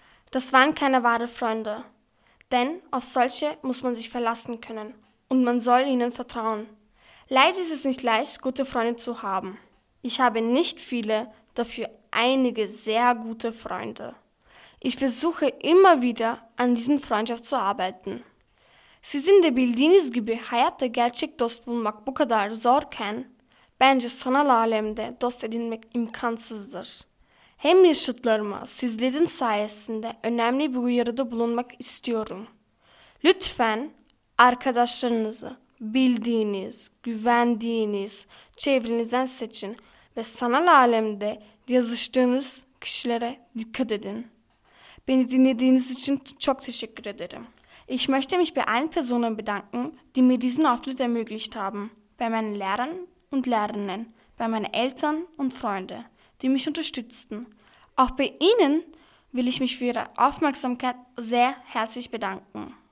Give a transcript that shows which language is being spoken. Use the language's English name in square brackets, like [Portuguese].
[German] Das waren keine wahren Freunde, denn auf solche muss man sich verlassen können und man soll ihnen vertrauen. Leider ist es nicht leicht, gute Freunde zu haben. Ich habe nicht viele, dafür einige sehr gute Freunde. Ich versuche immer wieder, an diesen Freundschaft zu arbeiten. [Turkish] Siz de bildiğiniz gibi hayatta gerçek dost bulmak bu kadar zorken, bence sanal alemde dost edinmek imkansızdır. Hem yaşıtlarıma sizlerin sayesinde önemli bir uyarıda bulunmak istiyorum. Lütfen arkadaşlarınızı bildiğiniz, güvendiğiniz, çevrenizden seçin ve sanal alemde yazıştığınız kişilere dikkat edin. Beni dinlediğiniz için çok teşekkür ederim. [German] Ich möchte mich bei allen Personen bedanken, die mir diesen Auftritt ermöglicht haben. Bei meinen Lehrern und Lehrerinnen, bei meinen Eltern und Freunden, die mich unterstützten. Auch bei Ihnen will ich mich für Ihre Aufmerksamkeit sehr herzlich bedanken.